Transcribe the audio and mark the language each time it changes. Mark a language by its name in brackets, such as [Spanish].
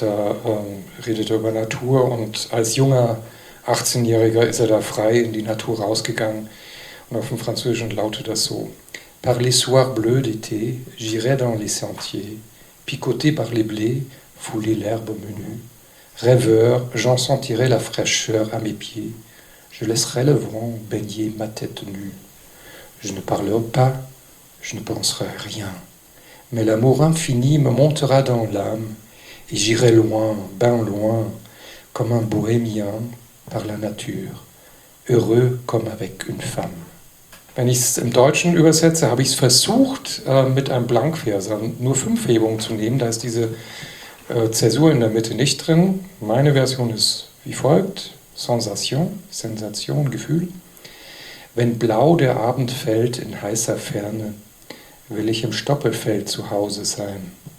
[German] Da redet er über Natur, und als junger 18-Jähriger ist er da frei in die Natur rausgegangen, und auf dem Französischen lautet das so: [French] Par les soirs bleus d'été, j'irai dans les sentiers, picoté par les blés, fouler l'herbe menue. Rêveur, j'en sentirai la fraîcheur à mes pieds, je laisserai le vent baigner ma tête nue. Je ne parlerai pas, je ne penserai rien, mais l'amour infini me montera dans l'âme, et j'irai loin, ben loin, comme un bohémien par la nature, heureux comme avec une femme. [German] Wenn ich es im Deutschen übersetze, habe ich es versucht, mit einem Blankversern nur 5 Hebungen zu nehmen. Da ist diese Zäsur in der Mitte nicht drin. Meine Version ist wie folgt. Sensation, Sensation, Gefühl. Wenn blau der Abend fällt in heißer Ferne, will ich im Stoppelfeld zu Hause sein.